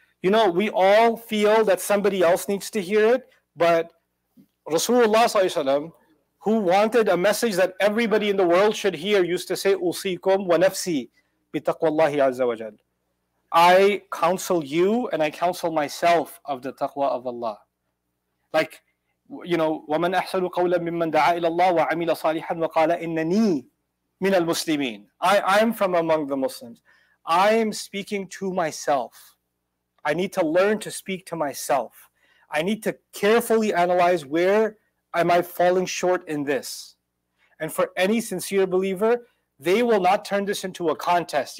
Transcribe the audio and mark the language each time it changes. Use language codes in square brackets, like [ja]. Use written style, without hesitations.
[en] You know, we all feel that somebody else needs to hear it, but Rasulullah صلى الله عليه وسلم, who wanted a message that everybody in the world should hear, used to say, [ar] "Usikum wa nafsi bi taqwallahi azza wa jal." [en] I counsel you and I counsel myself of the taqwa of Allah. Like, you know, [ar] وَمَنْ أَحْسَنُ قَوْلًا مِمَّنْ دَعَى إِلَى اللَّهِ وَعَمِلَ صَالِحًا وَقَالَ إِنَّنِي مِنَ الْمُسْلِمِينَ. [en] I'm from among the Muslims. I'm speaking to myself. I need to learn to speak to myself. I need to carefully analyze where am I falling short in this? And for any sincere believer, they will not turn this into a contest.